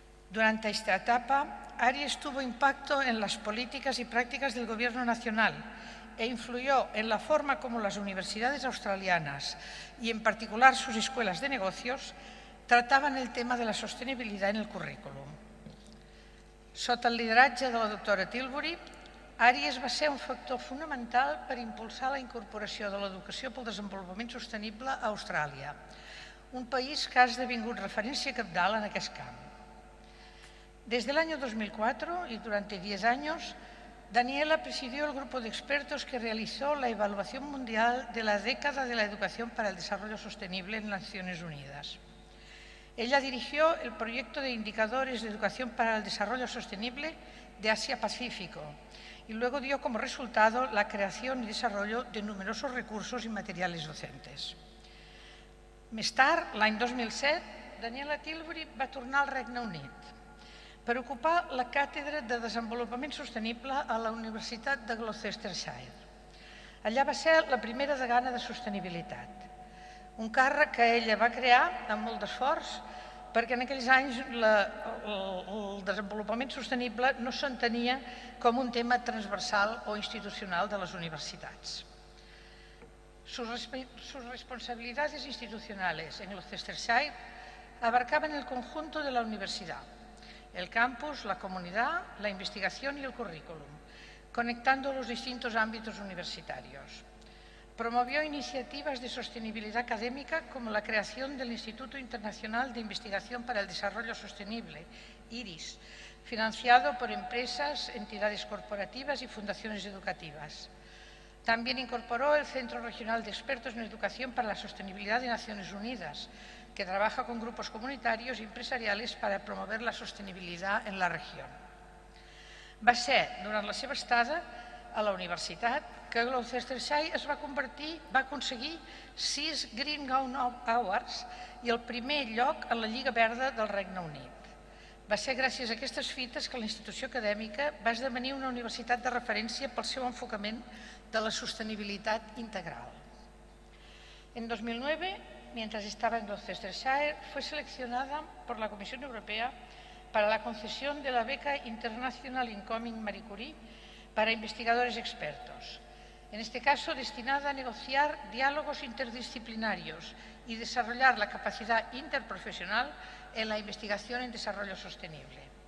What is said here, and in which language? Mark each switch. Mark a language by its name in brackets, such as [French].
[Spanish] Durante esta etapa, ARIES tuvo impacto en las políticas y prácticas del Gobierno Nacional e influyó en la forma como las universidades australianas y, en particular, sus escuelas de negocios trataban el tema de la sostenibilidad en el currículum. [Catalan] Sota el lideratge de la doctora Tilbury, ARIES va ser un factor fonamental per impulsar la incorporació de l'educació pel desenvolupament sostenible a Austràlia, un país que ha esdevingut referència cabdal en aquest camp. Des de l'any 2004 i durant 10 anys, [Spanish] Daniela presidió el grupo de expertos que realizó la evaluación mundial de la década de la educación para el desarrollo sostenible en Naciones Unidas. Ella dirigió el proyecto de indicadores de educación para el desarrollo sostenible de Asia-Pacífico y luego dio como resultado la creación y desarrollo de numerosos recursos y materiales docentes. [Catalan] Més tard, l'any 2007, Daniela Tilbury va tornar al Regne Unit per ocupar la Càtedra de Desenvolupament Sostenible a la Universitat de Gloucestershire. Allà va ser la primera degana de Sostenibilitat, un càrrec que ella va crear amb molt d'esforç perquè en aquells anys el desenvolupament sostenible no s'entenia com un tema transversal o institucional de les universitats. [Spanish] Sus responsabilidades institucionales en Gloucestershire abarcaven el conjunto de la universidad, el campus, la comunidad, la investigación y el currículum, conectando los distintos ámbitos universitarios. Promovió iniciativas de sostenibilidad académica como la creación del Instituto Internacional de Investigación para el Desarrollo Sostenible, IRIS, financiado por empresas, entidades corporativas y fundaciones educativas. También incorporó el Centro Regional de Expertos en Educación para la Sostenibilidad de Naciones Unidas, que trabaja con grupos comunitarios y empresariales para promover la sostenibilidad en la región. [Catalan] Va ser durant la seva estada a la universitat que Gloucestershire va aconseguir 6 Green Gown Awards i el primer lloc en la Lliga Verda del Regne Unit. Va ser gràcies a aquestes fites que la institució acadèmica va esdevenir una universitat de referència pel seu enfocament de la sostenibilitat integral. [Spanish] En 2009, mientras estaba en Gloucestershire, fue seleccionada por la Comisión Europea para la concesión de la beca International Incoming Marie Curie para investigadores expertos, en este caso destinada a negociar diálogos interdisciplinarios y desarrollar la capacidad interprofesional en la investigación en desarrollo sostenible.